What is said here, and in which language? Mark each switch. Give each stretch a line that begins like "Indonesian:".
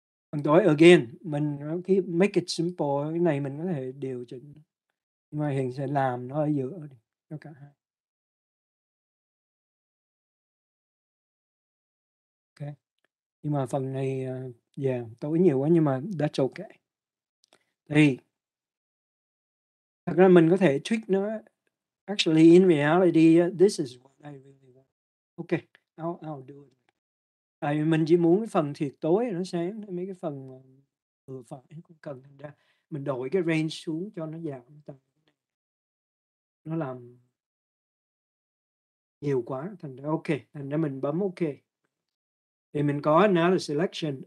Vietnamese: Phần tối, again, mình cái
English: make it simple,
Vietnamese: cái này mình có thể điều chỉnh, nhưng mà hiện sẽ làm nó ở giữa đi, cho cả hai. Nhưng mà phần này tối nhiều quá, nhưng mà
English: that's okay.
Vietnamese: Thì thật ra mình có thể tweak nó.
English: Actually, in reality, this is what I really want. Ok, I'll do it.
Vietnamese: Tại vì mình chỉ muốn cái phần thiệt tối nó sáng, mấy cái phần vừa phải cũng cần. Thành ra mình đổi cái range xuống cho nó giảm tầm. Nó làm nhiều quá. Thành ra ok, thành ra mình bấm ok. Thì mình có
English: another selection.